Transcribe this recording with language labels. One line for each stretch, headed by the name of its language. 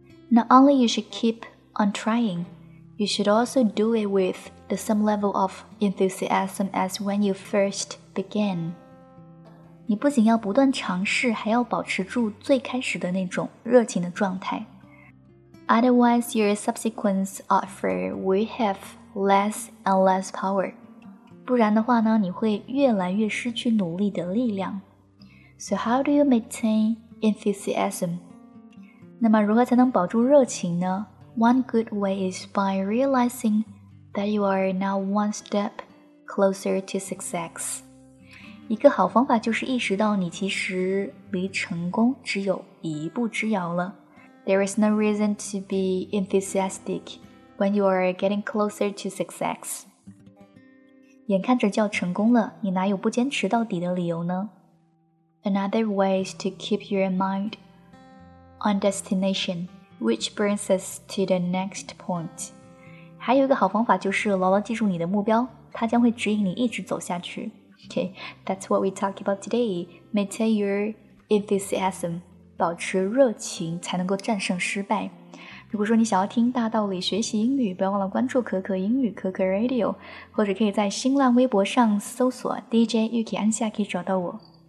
English: Not only you should keep on trying, you should also do it with the same level of enthusiasm as when you first began。
Chinese: 你不仅要不断尝试，还要保持住最开始的那种热情的状态。
English: Otherwise, your subsequent offer will have less and less power.
Chinese: 不然的话呢，你会越来越失去努力的力量。
English: So how do you maintain enthusiasm?
Chinese: 那么如何才能保住热情呢？
English: One good way is by realizing that you are now one step closer to success.
Chinese: 一个好方法就是意识到你其实离成功只有一步之遥了。
English: There is no reason to be enthusiastic when you are getting closer to success.
Chinese: 眼看着就要成功了，你哪有不坚持到底的理由呢？
English: Another way is to keep your mind on destination, which brings us to the next point.
Chinese: 还有一个好方法就是牢牢记住你的目标，它将会指引你一直走下去。
English: Okay, that's what we talk about today. Maintain your enthusiasm.
Chinese: 保持热情才能够战胜失败。如果说你想要听大道理学习英语，不要忘了关注可可英语可可 Radio， 或者可以在新浪微博上搜索 DJ 玉琪安夏，可以找到我。